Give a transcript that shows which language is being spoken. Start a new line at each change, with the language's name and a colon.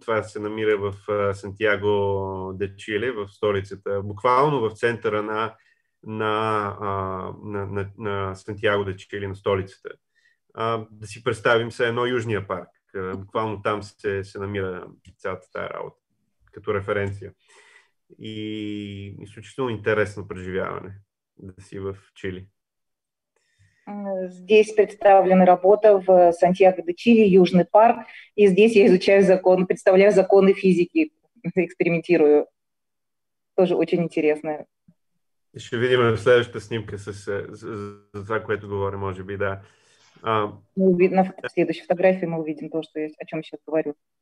Bulgarian: Това се намира в Сантьяго де Чиле, в столицата, буквално в центъра на Сантьяго де Чиле, на столицата. Да си представим се едно Южния парк. Буквално там се намира цялата тая работа, като референция. И изключително интересно преживяване да си в Чили.
Russian: Здесь представлена работа в Сантьяго де Чиле, Южный парк. И здесь я изучаю законы, представляю законы физики, экспериментирую. Тоже очень интересно.
Bulgarian: Ще видим следващата снимка за това, което говоря, може би, да.
Russian: На следващей фотографии мы увидим то, что есть, о чем сейчас говорю.